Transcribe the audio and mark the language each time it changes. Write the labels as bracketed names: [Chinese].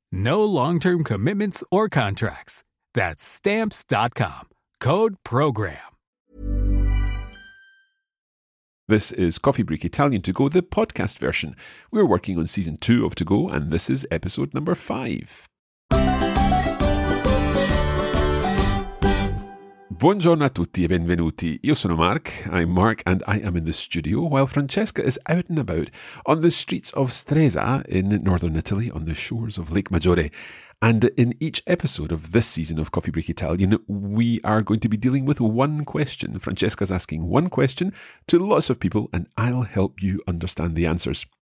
[English] No long-term commitments or contracts. That's Stamps.com. Code PROGRAM. This is Coffee Break Italian To Go, the podcast version. We're working on season 2 of To Go, and this is episode number 5. [Italian] Buongiorno a tutti e benvenuti. Io sono Mark. [English] I'm Mark and I am in the studio while Francesca is out and about on the streets of Stresa in northern Italy on the shores of Lake Maggiore. And in each episode of this season of Coffee Break Italian, we are going to be dealing with one question. Francesca's asking one question to lots of people and I'll help you understand the answers.